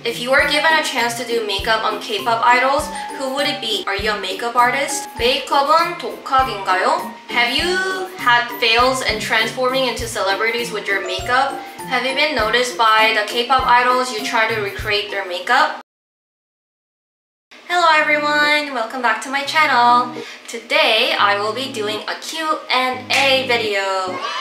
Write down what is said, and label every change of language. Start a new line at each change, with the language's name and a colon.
English: If you were given a chance to do makeup on K-pop idols, who would it be? Are you a makeup artist?
Korean: 메이크업은 독학인가요?
English: Have you had fails in transforming into celebrities with your makeup? Have you been noticed by the K-pop idols you try to recreate their makeup? Hello everyone! Welcome back to my channel! Today, I will be doing a Q&A video!